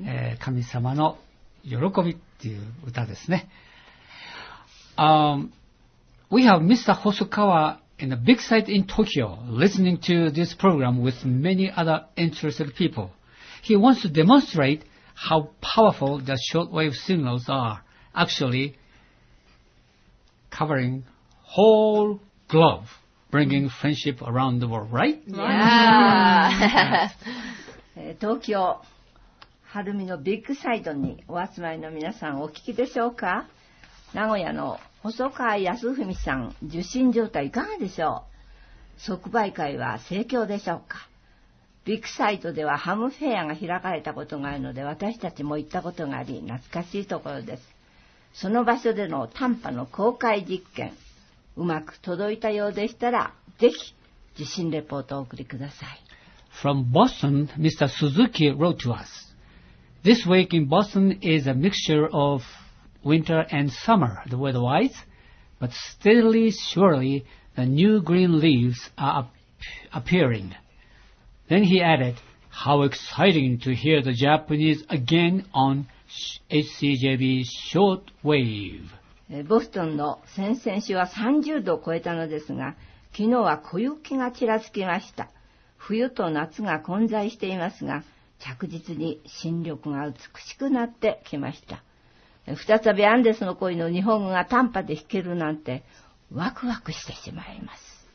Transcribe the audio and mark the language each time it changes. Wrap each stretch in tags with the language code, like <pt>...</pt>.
<ja>ね、神様の喜びっていう歌ですね。</ja> <en>We have Mr. Hosokawa in a big site in Tokyo listening to this program with many other interested people. He wants to demonstrate how powerful the shortwave signals are, actually covering whole globe, bringing friendship around the world, right? Yeah!</en> <ja>Tokyo, Harumi no big site にお集まりの皆さんお聞きでしょうか? 名古屋の細川康文さん、受信状態いかがでしょう? 即売会は盛況でしょうか?ビッグサイトではハムフェアが開かれたことがあるので、私たちも行ったことがあり、懐かしいところです。その場所での短波の公開実験、うまく届いたようでしたら、ぜひ受信レポートをお送りください。</ja> <en>From Boston, Mr. Suzuki wrote to us. This week in Boston is a mixture of... Winter and summer, the weather-wise, but steadily, surely, the new green leaves are appearing. Then he added, how exciting to hear the Japanese again on HCJB shortwave.</en> <ja>ボストンの先々週は30度を超えたのですが、昨日は小雪がちらつきました。冬と夏が混在していますが、着実に新緑が美しくなってきました。再びアンデスの恋の日本語が短波で弾けるなんてワクワクしてしまいます。</ja>